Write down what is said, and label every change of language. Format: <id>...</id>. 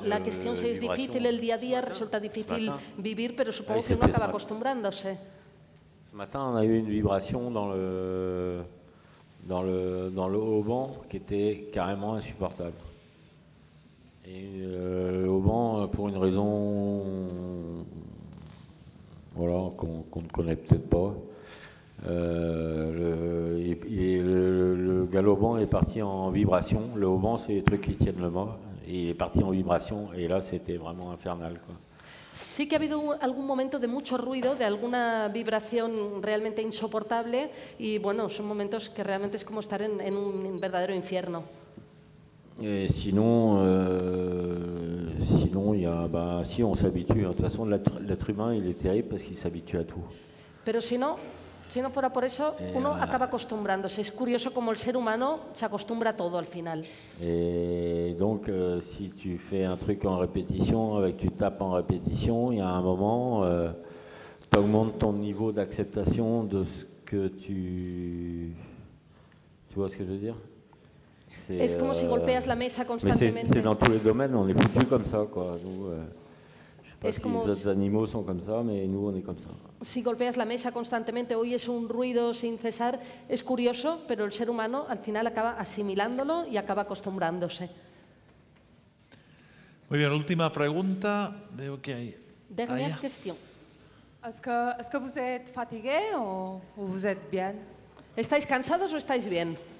<es>La cuestión sí es difícil, el día a día resulta difícil vivir, pero supongo que uno acaba acostumbrándose.</es> <fr>Ce matin, on a eu une vibration dans le auban qui était carrément insupportable. Et l'auban, pour une raison voilà, qu'on ne connaît peut-être pas, le galoban est parti en vibration. Le auban, c'est les trucs qui tiennent le mât.</fr> <es>Y partió en vibración</es> <fr>y là c'était vraiment infernal, quoi.</fr> <es>Sí que ha habido algún momento de mucho ruido, de alguna vibración realmente insoportable y bueno, son momentos que realmente es como estar en un verdadero infierno.</es> <fr>Sinon il y a bah si on s'habitue, hein. De toute façon l'être humain il est terrible parce qu'il s'habitue à tout.</fr> <es>Pero si no fuera por eso, uno acaba acostumbrándose. Es curioso cómo el ser humano se acostumbra a todo al final.</es> <fr>Donc, si tu fais un truc en répétition, avec tu tapes en répétition, il y a un moment, tu augmentes ton niveau d'acceptation de ce que tu... Tu vois ce que je veux dire?</fr> <es>Es como si golpeas la mesa constantemente.</es> <fr>C'est dans tous les domaines, on est foutu comme ça, quoi. Nous, pas si les autres animaux sont comme ça, mais nous, on est comme ça.</fr> <es>Si golpeas la mesa constantemente, oyes un ruido sin cesar, es curioso, pero el ser humano al final acaba asimilándolo y acaba acostumbrándose. Muy bien, última pregunta. Veo que hay.</es> <fr>Dernière question. Est-ce que vous êtes fatigué ou vous êtes bien?</fr> <es>¿Estáis cansados o estáis bien?</es>